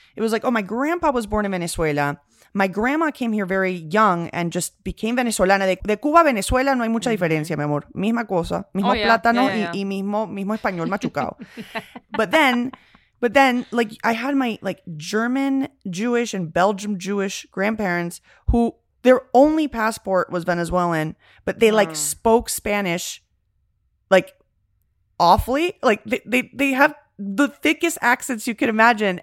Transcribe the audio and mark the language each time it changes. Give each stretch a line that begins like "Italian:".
English: It was like, oh, my grandpa was born in Venezuela. My grandma came here very young and just became Venezolana.
Spanish: De Cuba a Venezuela no hay mucha diferencia, mi amor. Misma cosa, mismo plátano y mismo español machucado.
English: But then, like, I had my, like, German Jewish and Belgium Jewish grandparents who their only passport was Venezuelan, but they, like, spoke Spanish, like, awfully. Like, they have the thickest accents you could imagine.